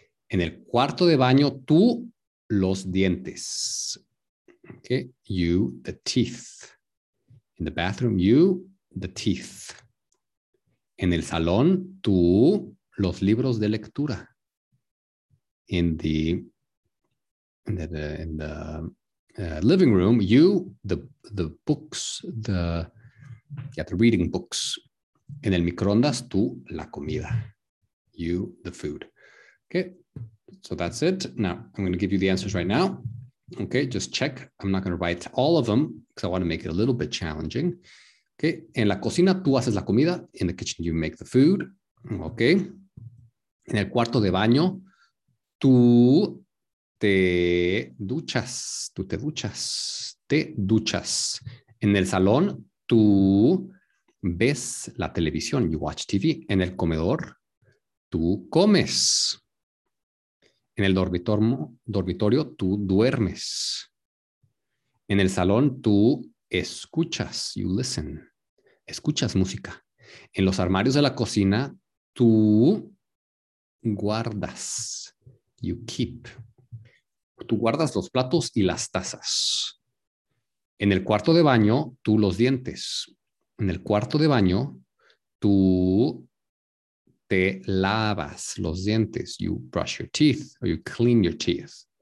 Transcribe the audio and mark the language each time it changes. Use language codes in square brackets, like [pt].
[es] En el cuarto de baño, tú los dientes. Okay. [en] You, the teeth. In the bathroom, you, the teeth. [es] En el salón, tú los libros de lectura. [en] In the living room, you, the books, the reading books. [es] En el microondas, tú, la comida. [en] You, the food. Okay, so that's it. Now, I'm going to give you the answers right now. Okay, just check. I'm not going to write all of them because I want to make it a little bit challenging. Okay, [es] en la cocina tú haces la comida. [en] In the kitchen, you make the food. Okay. [es] En el cuarto de baño, tú te duchas. Tú te duchas. Te duchas. En el salón, tú ves la televisión. [en] You watch TV. [es] En el comedor, tú comes. En el dormitorio, tú duermes. En el salón, tú escuchas. [en] You listen. [es] Escuchas música. En los armarios de la cocina, tú guardas. [en] You keep. [es] Tú guardas los platos y las tazas. En el cuarto de baño, tú los dientes. En el cuarto de baño, tú te lavas los dientes. [en] You brush your teeth or you clean your teeth.